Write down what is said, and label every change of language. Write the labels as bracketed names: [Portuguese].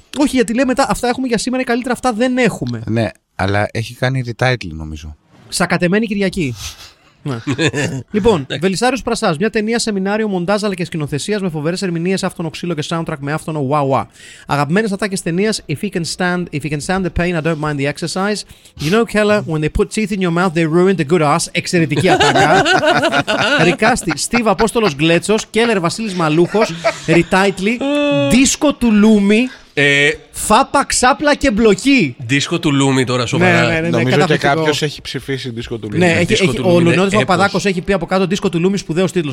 [Greek] Όχι, γιατί λέει μετά, αυτά έχουμε για σήμερα, καλύτερα αυτά δεν έχουμε. Ναι, αλλά έχει κάνει retitle, νομίζω. Σακατεμένη Κυριακή. Λοιπόν, Βελισάριος Πρασάς, μια ταινία σεμινάριο μοντάζ αλλά και σκηνοθεσία με φοβερές ερμηνείες, άφθονο ξύλο και soundtrack με άφθονο wow. Αγαπημένες ατάκες ταινίας, [English] if you can stand the pain, I don't mind the exercise. You know, Keller, when they put teeth in your mouth, they ruin the good ass. [Greek] Εξαιρετική ατάκα. Ρικάστη, Steve Απόστολος Γκλέτσος, Keller Βασίλης Μαλούχος, retitle, δίσκο του Λούμι. Φάπα, ξάπλα και μπλοκή. Δίσκο του Λούμι τώρα, σοβαρά. Ναι. Νομίζω και κάποιος έχει ψηφίσει δίσκο του Λούμι. Ναι, ο Λουνιώτης Παπαδάκος έχει πει από κάτω δίσκο του Λούμι, σπουδαίος τίτλος.